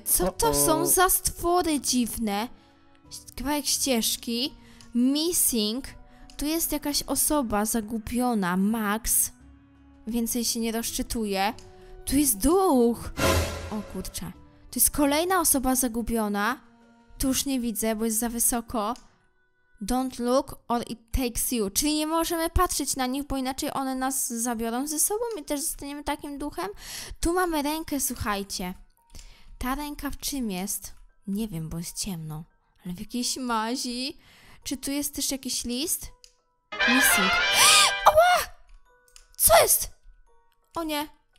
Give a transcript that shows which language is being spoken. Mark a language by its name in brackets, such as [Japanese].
[Polish] Co to są za stwory dziwne? Kawałek ścieżki. Missing. Tu jest jakaś osoba zagubiona. Max. Więcej się nie rozczytuje. Tu jest duch! O kurczę. Tu jest kolejna osoba zagubiona. Tu już nie widzę, bo jest za wysoko. [English] Don't look or it takes you. [Polish] Czyli nie możemy patrzeć na nich, bo inaczej one nas zabiorą ze sobą i też zostaniemy takim duchem. Tu mamy rękę, słuchajcie. Ta ręka w czym jest? Nie wiem, bo jest ciemno. Ale w jakiejś mazi. Czy tu jest też jakiś list? Missing. Ała! Co jest? O nie.